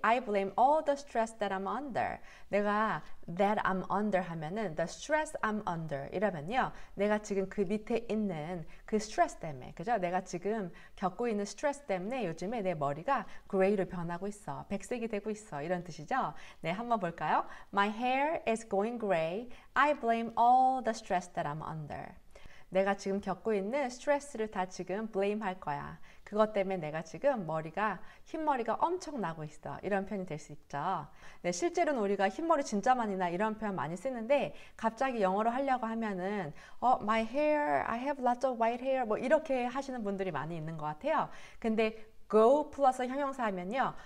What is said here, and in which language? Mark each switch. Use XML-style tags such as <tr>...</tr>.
<en>I blame all the stress that I'm under.</en> <ko>내가</ko> <en>that I'm under</en> <ko>하면은</ko> <en>the stress I'm under</en> <ko>이러면요. 내가 지금 그 밑에 있는 그 스트레스 때문에, 그죠? 내가 지금 겪고 있는 스트레스 때문에 요즘에 내 머리가 gray로 변하고 있어. 백색이 되고 있어. 이런 뜻이죠? 네, 한번 볼까요?</ko> <en>My hair is going gray. I blame all the stress that I'm under.</en> <ko>내가 지금 겪고 있는 스트레스를 다 지금 blame 할 거야. 그것 때문에 내가 지금 머리가, 흰머리가 엄청 나고 있어. 이런 표현이 될수 있죠. 네, 실제로는 우리가 흰머리 진짜 많이 나 이런 표현 많이 쓰는데, 갑자기 영어로 하려고 하면은,</ko> <en>my hair, I have lots of white hair.</en> <ko>뭐 이렇게 하시는 분들이 많이 있는 것 같아요. 근데 go 플러스 형용사 하면요.</ko>